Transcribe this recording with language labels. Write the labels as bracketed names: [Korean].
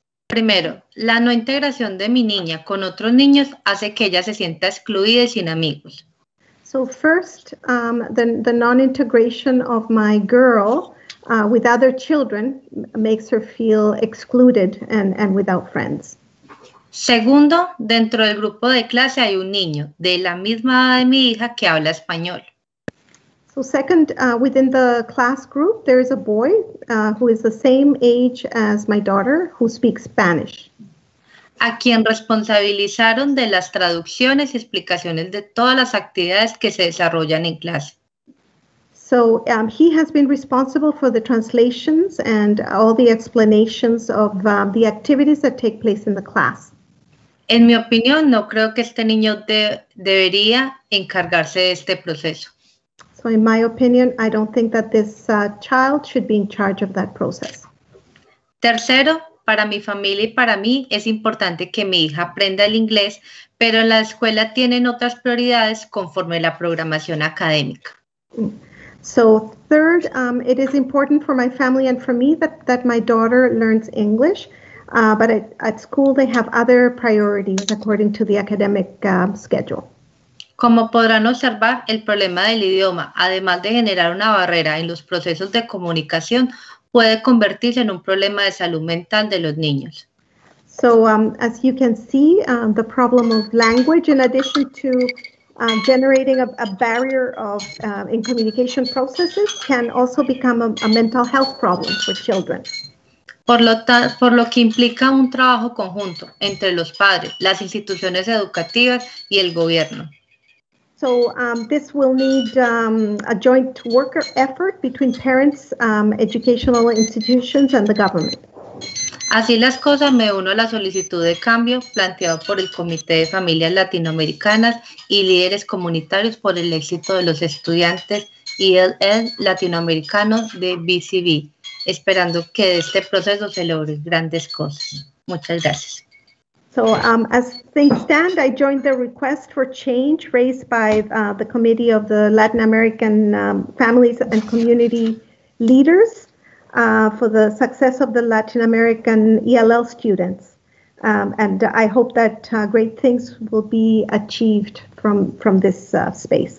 [Spanish] Primero, la no integración de mi niña con otros niños hace que ella se sienta excluida y sin amigos. [English] So first, the non-integration of my girl with other children makes her feel excluded and without friends. [Spanish] Segundo, dentro del grupo de clase hay un niño de la misma edad de mi hija que habla español. [English] So second, within the class group, there is a boy who is the same age as my daughter who speaks Spanish. [Spanish] A quien responsabilizaron de las traducciones y explicaciones de todas las actividades que se desarrollan en clase. [English] So he has been responsible for the translations and all the explanations of the activities that take place in the class. [Spanish] En mi opinión, no creo que este niño debería encargarse de este proceso. [English] So in my opinion, I don't think that this child should be in charge of that process. [Spanish] Tercero, para mi familia y para mí es importante que mi hija aprenda el inglés, pero la escuela tienen otras prioridades conforme la programación académica. [English] So third, it is important for my family and for me that my daughter learns English, but at school they have other priorities according to the academic schedule. [Spanish] Como podrán observar, el problema del idioma, además de generar una barrera en los procesos de comunicación, puede convertirse en un problema de salud mental de los niños. [English] So, as you can see, the problem of language, in addition to generating a barrier of in communication processes, can also become a mental health problem for children. [Spanish] Por lo que implica un trabajo conjunto entre los padres, las instituciones educativas y el gobierno. [English] So this will need a joint worker effort between parents, educational institutions, and the government. [Spanish] Así las cosas, me uno a la solicitud de cambio planteado por el Comité de Familias Latinoamericanas y Líderes Comunitarios por el Éxito de los Estudiantes ELL Latinoamericanos de BCB, esperando que de este proceso se logren grandes cosas. Muchas gracias. [English] So as things stand, I joined the request for change raised by the Committee of the Latin American Families and Community Leaders for the success of the Latin American ELL students. And I hope that great things will be achieved from this space.